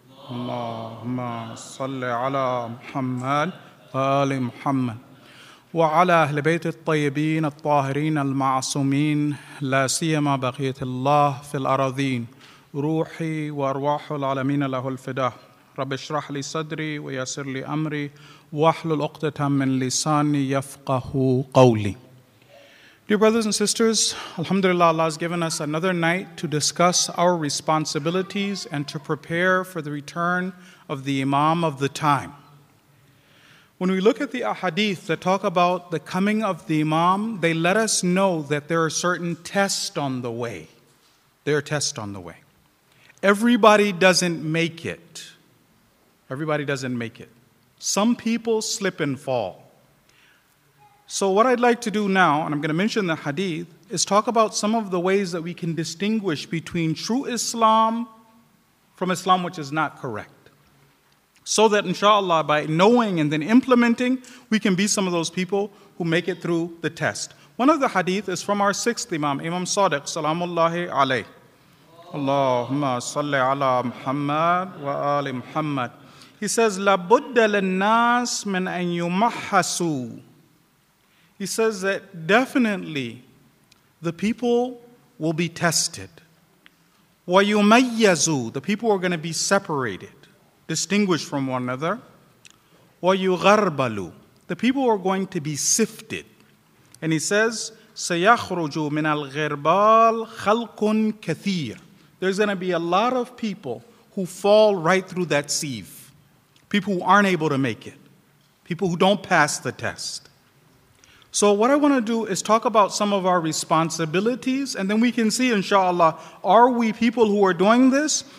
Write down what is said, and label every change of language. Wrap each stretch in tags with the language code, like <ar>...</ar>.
<ar>اللهم صل على محمد وآل محمد وعلى أهل بيت الطيبين الطاهرين المعصومين لا سيما بقية الله في الأراضين روحي وأرواح العالمين له الفداء. رب اشرح لي صدري ويسر لي أمري واحلل عقدة من لساني يفقه قولي.</ar> <en>Dear brothers and sisters, Alhamdulillah, Allah has given us another night to discuss our responsibilities and to prepare for the return of the Imam of the time. When we look at the ahadith that talk about the coming of the Imam, they let us know that there are certain tests on the way. There are tests on the way. Everybody doesn't make it. Everybody doesn't make it. Some people slip and fall. So what I'd like to do now, and I'm going to mention the hadith, is talk about some of the ways that we can distinguish between true Islam from Islam which is not correct. So that inshallah, by knowing and then implementing, we can be some of those people who make it through the test. One of the hadith is from our sixth Imam, Imam Sadiq, salamullahi alayh.</en> <ar>Allahumma salli ala Muhammad wa ali Muhammad.</ar> <en>He says,</en> <ar>لَبُدَّ لِلنَّاسِ مِنْ أَنْ يُمَحَّسُوا.</ar> <en>He says that definitely the people will be tested.</en> <ar>وَيُمَيَّزُوا.</ar> <en>The people are going to be separated, distinguished from one another.</en> <ar>وَيُغَرْبَلُوا.</ar> <en>The people are going to be sifted. And he says,</en> <ar>سَيَخْرُجُوا مِنَ الْغِرْبَالِ خَلْقٌ كَثِيرٌ.</ar> <en>There's going to be a lot of people who fall right through that sieve. People who aren't able to make it. People who don't pass the test. So what I want to do is talk about some of our responsibilities, and then we can see, inshallah, are we people who are doing this?</en>